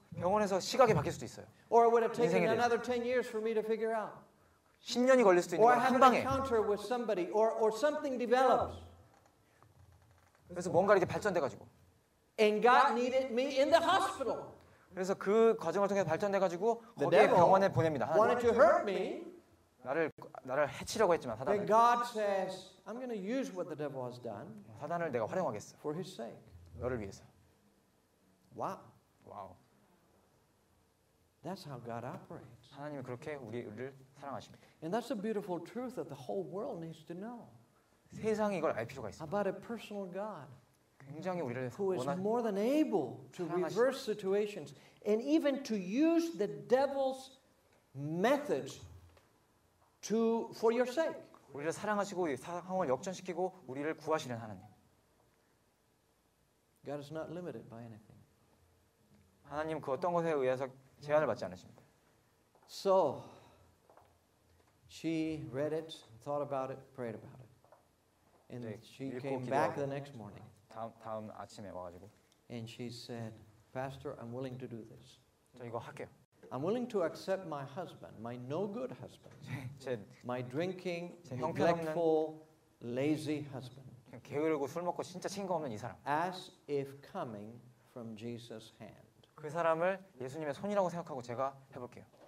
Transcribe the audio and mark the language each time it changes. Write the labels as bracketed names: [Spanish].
[Korean] 병원에서 시각이 바뀔 수도 있어요. [English] Or it would have taken another 10 years for me to figure out. [Korean] 10년이 걸릴 수도 있는 한 방에. [English] Or I have an encounter with somebody or something develops. [Korean] 그래서 뭔가 이렇게 발전돼 가지고. [English] And God needed me in the hospital. [Korean] 그래서 그 과정을 통해 발전돼 가지고 거기에 병원에 보냅니다. 하나님. [English] Wanted to hurt me. [Korean] 나를 해치려고 했지만 사단을. [English] Then God says, I'm going to use what the devil has done. [Korean] 사단을 내가 활용하겠어. [English] For his sake. [Korean] 너를 위해서. [English] Wow. Wow. That's how God operates. [Korean] 하나님이 그렇게 우리를 사랑하십니다. [English] And that's a beautiful truth that the whole world needs to know. [Korean] 세상이 이걸 알 필요가 있어. [English] About a personal God. [Korean] 굉장히 우리를 [English] Who is more than able to reverse situations and even to use the devil's methods to for your sake. [Korean] 우리를 사랑하시고 상황을 역전시키고 우리를 구하시는 하나님. [English] God is not limited by anything. [Korean] 하나님 그 어떤 것에 의해서 제한을 받지 않으십니다. [English] So she read it, thought about it, prayed about it. And [Korean] 네, [English] she came back the next morning. [Korean] 다음 아침에 와가지고. [English] And she said, Pastor, I'm willing to do this. [Korean] 저 이거 할게요. [English] I'm willing to accept my husband, my no good husband. [Korean] 제 [English] drinking, neglectful, lazy husband. [Korean] 게으르고 술 먹고 진짜 친구 없는 이 사람. [English] As if coming from Jesus' hand. [Korean] 그 사람을 예수님의 손이라고 생각하고 제가 해볼게요.